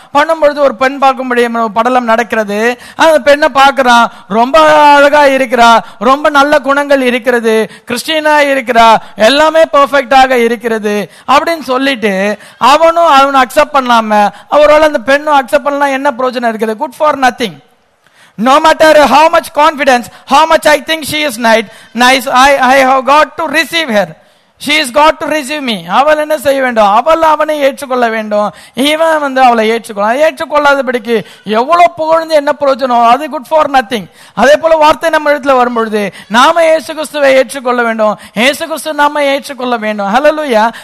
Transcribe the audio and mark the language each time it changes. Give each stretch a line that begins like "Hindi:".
Tamil: பண்ணும்பொழுது ஒரு பெண் பார்க்கும்படி படலம் நடக்கிறது, அந்த பெண்ணை பார்க்கறான், ரொம்ப அழகா இருக்கிறா, ரொம்ப நல்ல குணங்கள் இருக்கிறது, கிறிஸ்டியனா இருக்கிறா, எல்லாமே பெர்ஃபெக்டாக இருக்கிறது அப்படின்னு சொல்லிட்டு அவனும் அவனை அக்செப்ட் பண்ணாம அவரால் அந்த பெண்ணும் அக்செப்ட் பண்ணலாம், என்ன பிரயோஜனம் இருக்குது?
English: Good for nothing. No matter how much confidence, how much I think she is nice, I have got to receive her. She has got to receive me.
Tamil: அவள் என்ன செய்ய வேண்டும்? அவள் அவனை ஏற்றுக்கொள்ள வேண்டும், இவன் வந்து அவளை ஏற்றுக்கொள்ள ஏற்றுக்கொள்ளாதபடிக்கு எவ்வளவு புகழ்ந்து என்ன பிரயோஜனம்? அது
English: Good for nothing.
Tamil: அதே போல வார்த்தை நம்ம இடத்துல வரும்பொழுது நாம இயேசு கிறிஸ்துவை ஏற்றுக்கொள்ள வேண்டும், இயேசு கிறிஸ்து நாம ஏற்றுக்கொள்ள வேண்டும். ஹல்லேலூயா.